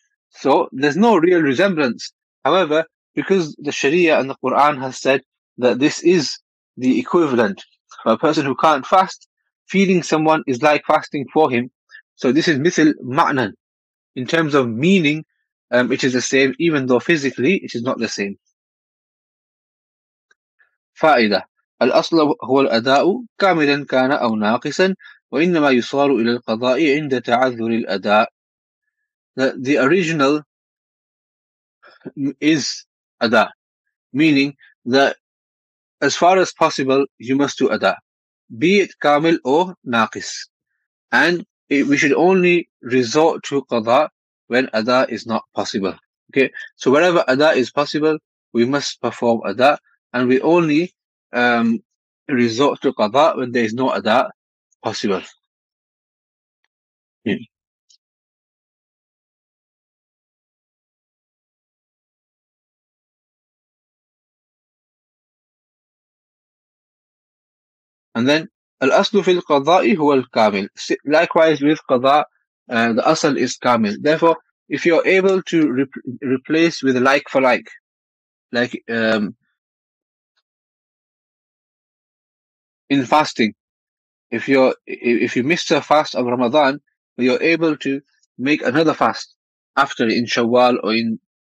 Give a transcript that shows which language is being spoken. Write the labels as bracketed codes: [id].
[en] So there's no real resemblance. However, because the Sharia and the Quran has said that this is the equivalent for a person who can't fast, feeding someone is like fasting for him. So this is mithil ma'nan. In terms of meaning, it is the same, even though physically it is not the same. [ar] فائدة الأصل هو الأداء كاملا كان أو ناقصا وإنما يصار إلى القضاء عند تعذر الأداء. [en] The original is أداء, meaning that as far as possible you must do أداء, be it كامل or ناقص, and we should only resort to qadha when ada is not possible. Okay, so wherever ada is possible, we must perform ada, and we only resort to qadha when there is no ada possible. And then [ar] الأصل في القضاء هو الكامل. [en] Likewise with قضاء, the أصل is كامل. Therefore, if you're able to replace with like for like in fasting, if you missed a fast of Ramadan, you're able to make another fast after in Shawwal or in